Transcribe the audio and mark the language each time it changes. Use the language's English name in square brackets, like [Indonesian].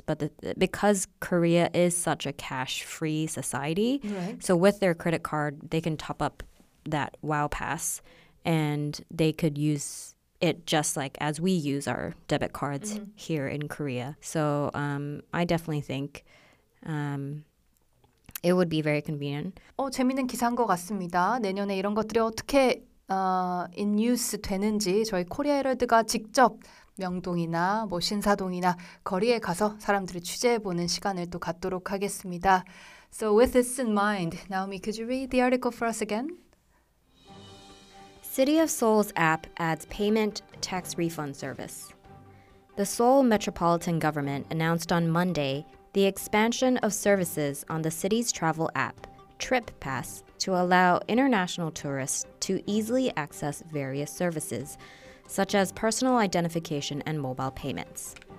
[English] But because Korea is such a cash-free society, so with their credit card, they can top up that Wow Pass and they could use it just like as we use our debit cards here in Korea. So I definitely think it would be very convenient. [Korean] 재밌는 기사인 것 같습니다. 내년에 이런 것들이 어떻게 in use 되는지 저희 코리아헤럴드가 직접 명동이나 뭐 신사동이나 거리에 가서 사람들을 취재해보는 시간을 또 갖도록 하겠습니다. [English] So with this in mind, Naomi, could you read the article for us again? City of Seoul's app adds payment tax refund service. The Seoul Metropolitan Government announced on Monday the expansion of services on the city's travel app, TripPass, to allow international tourists to easily access various services, such as personal identification and mobile payments.